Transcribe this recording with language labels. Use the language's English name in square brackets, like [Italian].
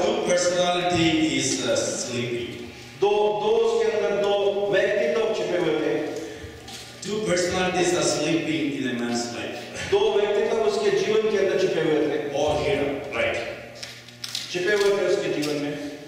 [English] Two personality is sleeping. [Hindi] दो उसके अंदर दो व्यक्तित्व छिपे हुए थे. [English] Two personalities are sleeping in a man's life. [Hindi] दो व्यक्तित्व उसके जीवन के अंदर छिपे हुए थे. [English] Or here, right. [Hindi] छिपे हुए थे उसके जीवन में.